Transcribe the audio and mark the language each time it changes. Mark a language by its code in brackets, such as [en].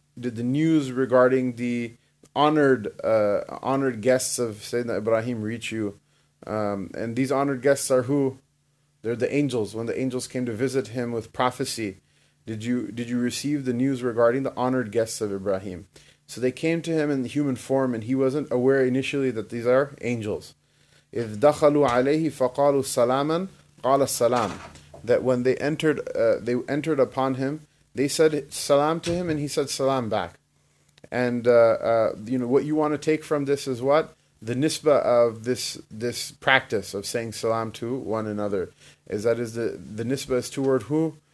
[en] Did the news regarding the honored guests of Sayyidina Ibrahim reach you? And these honored guests are who? They're the angels. When the angels came to visit him with prophecy, did you receive the news regarding the honored guests of Ibrahim? So they came to him in human form, and he wasn't aware initially that these are angels. If [ar] دخلوا عليه فقالوا سلاما قال السلام. [en] That when they entered upon him, they said salam to him, and he said salam back. And you know what you want to take from this is what? The nisbah of this practice of saying salam to one another is the nisbah is toward who?